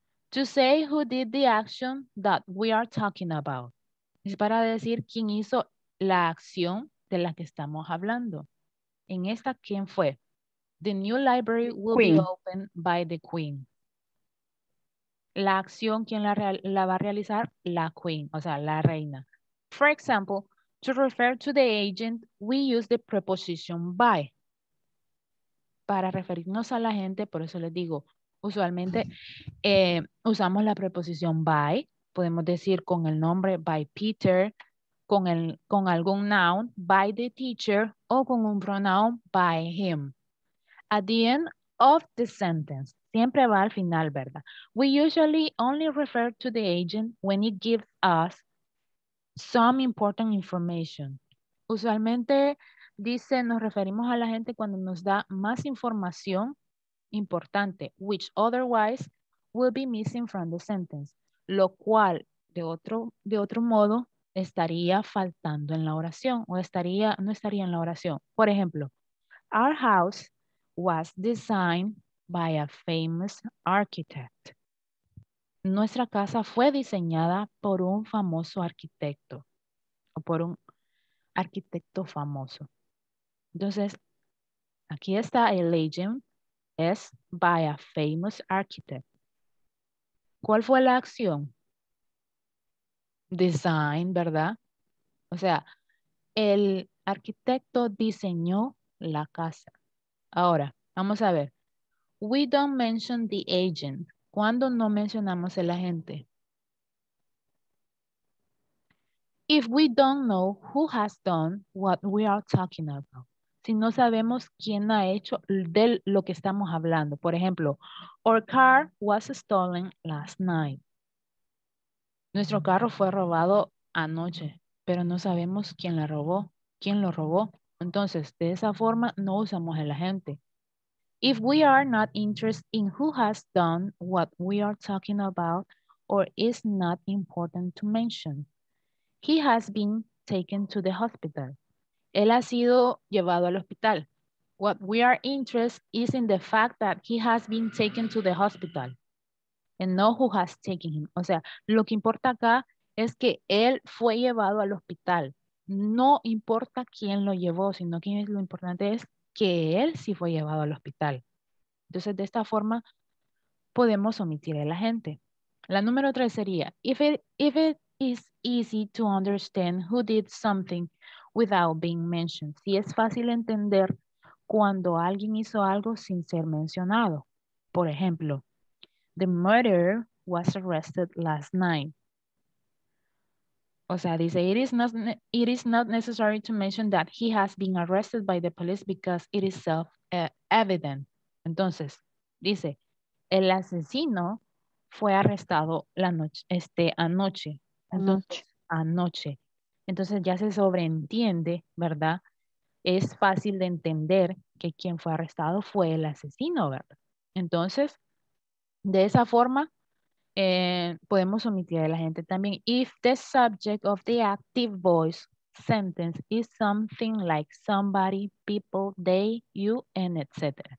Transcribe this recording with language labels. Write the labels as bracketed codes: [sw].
[en] To say who did the action that we are talking about. [es] Es para decir quién hizo la acción de la que estamos hablando. En esta, ¿quién fue? [en] The new library will queen. Be opened by the queen. [es] La acción, ¿quién la va a realizar? La queen, o sea, la reina. [en] For example, to refer to the agent, we use the preposition by. [es] Para referirnos a la gente, por eso les digo, usualmente usamos la preposición by. Podemos decir con el nombre by Peter, con algún noun, [en] by the teacher, [es] o con un pronoun, [en] by him. At the end of the sentence, [es] siempre va al final, ¿verdad? [en] We usually only refer to the agent when it gives us some important information. [es] Usualmente dice, nos referimos a la gente cuando nos da más información importante, [en] which otherwise will be missing from the sentence, [es] lo cual de otro modo estaría faltando en la oración o estaría, no estaría en la oración. Por ejemplo, [en] our house was designed by a famous architect. [es] Nuestra casa fue diseñada por un famoso arquitecto o por un arquitecto famoso. Entonces, aquí está el agent, es [en] by a famous architect. [es] ¿Cuál fue la acción? Design, ¿verdad? O sea, el arquitecto diseñó la casa. Ahora, vamos a ver. [en] We don't mention the agent. [es] ¿Cuándo no mencionamos el agente? [en] If we don't know who has done what we are talking about. [es] Si no sabemos quién ha hecho de lo que estamos hablando. Por ejemplo, [en] our car was stolen last night. [es] Nuestro carro fue robado anoche, pero no sabemos quién la robó, quién lo robó. Entonces, de esa forma, no usamos el agente. [en] If we are not interested in who has done what we are talking about or is not important to mention, he has been taken to the hospital. [es] Él ha sido llevado al hospital. [en] What we are interested is in the fact that he has been taken to the hospital. And no who has taken him. [es] O sea, lo que importa acá es que él fue llevado al hospital. No importa quién lo llevó, sino que lo importante es que él sí fue llevado al hospital. Entonces, de esta forma, podemos omitir a la gente. La número tres sería, [en] if it is easy to understand who did something without being mentioned. [es] Si es fácil entender cuando alguien hizo algo sin ser mencionado. Por ejemplo, [en] the murderer was arrested last night. [es] O sea, dice, [en] it is not necessary to mention that he has been arrested by the police because it is self-evident. [es] Entonces, dice, el asesino fue arrestado la noche, anoche. Anoche. Entonces ya se sobreentiende, ¿verdad? Es fácil de entender que quien fue arrestado fue el asesino, ¿verdad? Entonces, de esa forma, podemos omitir a la gente también. [en] If the subject of the active voice sentence is something like somebody, people, they, you, and etc.